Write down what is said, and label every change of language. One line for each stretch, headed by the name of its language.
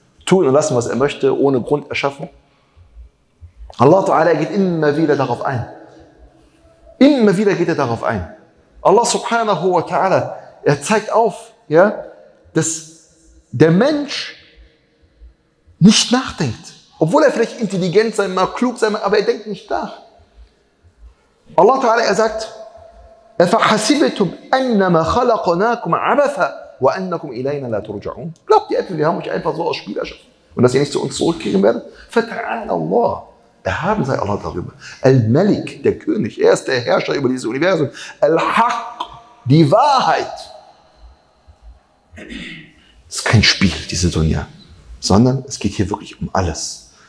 German: Tun und lassen, was er möchte, ohne Grund erschaffen? Allah Ta'ala geht immer wieder darauf ein. Immer wieder geht er darauf ein. Allah Subhanahu wa Ta'ala, er zeigt auf, ja, dass der Mensch nicht nachdenkt. Obwohl er vielleicht intelligent sein mag, klug sein mag, aber er denkt nicht nach. Allah Ta'ala, er sagt,
Arabic: أَفَحَسِبْتُمْ أَنَّمَا خَلَقْنَاكُمْ عَبَثًا وَأَنَّكُمْ إِلَيْنَا لَا تُرْجَعُونَ.
German: Glaubt ihr etwa, wir haben euch einfach so aus Spiel erschaffen und dass ihr nicht zu uns zurückkehren werdet? فَتَعَالَى Allah. Erhaben sei Allah darüber. Al-Malik, der König, er ist der Herrscher über dieses Universum. Al-Haq, die Wahrheit. Es ist kein Spiel, diese Dunya, sondern es geht hier wirklich um alles.